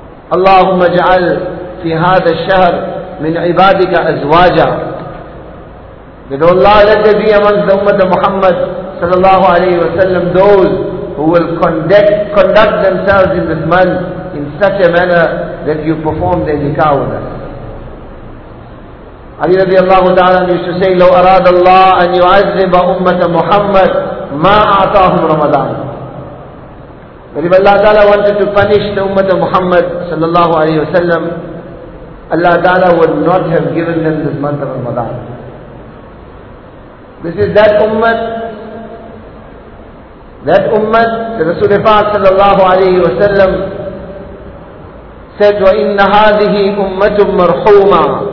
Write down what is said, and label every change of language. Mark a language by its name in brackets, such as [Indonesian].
[Arabic] Allahumma ja'al fi hadha shahr min ibadika azwaja. [English] That, O Allah, let there be amongst the ummah of Muhammad sallallahu alayhi wa sallam those who will conduct themselves in this month in such a manner that you perform their nikah with us. Ali radiallahu ta'ala used to say, [Arabic] لو أراد الله أن يعذب أمة محمد ما أعطاهم رمضان. [English] But if Allah ta'ala wanted to punish the Ummah of Muhammad sallallahu alayhi wa sallam, Allah ta'ala would not have given them this month of Ramadan. This is that ummah, the Rasulullah sallallahu alayhi wa sallam said, [Arabic] وَإِنَّ هَذِهِ أُمَّةٌ مَرْحُومًا.